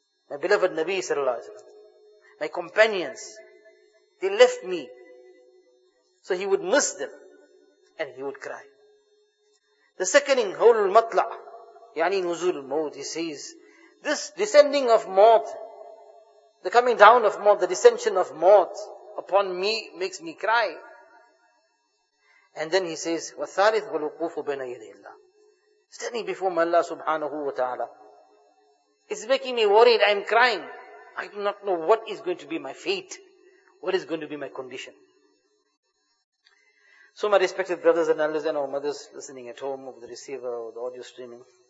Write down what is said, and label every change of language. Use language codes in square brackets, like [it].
[en] My beloved Nabi sallallahu alayhi wa sallam. My companions. They left me. So he would miss them. And he would cry. The second in Hawlul Matla', yani Nuzul Maut, he says, this descending of Maut, the coming down of Maut, the descension of Maut upon me makes me cry. And then he says, [ar] وَالثَّارِثُ وَالْوُقُوفُ بَيْنَ يَدِي اللَّهِ. [en] Standing before my Allah subhanahu wa ta'ala. It's making me worried, I'm crying. I do not know what is going to be my fate, what is going to be my condition. So my respected brothers and elders and our mothers listening at home over the receiver or the audio streaming.